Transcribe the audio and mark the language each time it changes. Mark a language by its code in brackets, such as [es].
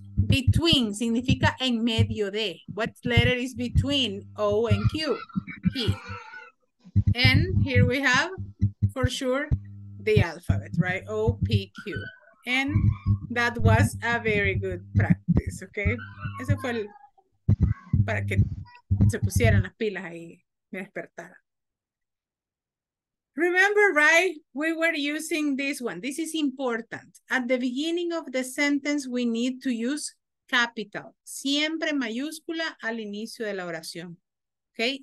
[en] Between [es] significa en medio de. [en] What letter is between O and Q? P. And here we have, for sure, the alphabet, right? O, P, Q. And that was a very good practice, okay? [es] Ese fue el, para que se pusieran las pilas ahí, me despertara. [en] Remember, right? We were using this one. This is important. At the beginning of the sentence, we need to use capital. [es] Siempre mayúscula al inicio de la oración, okay?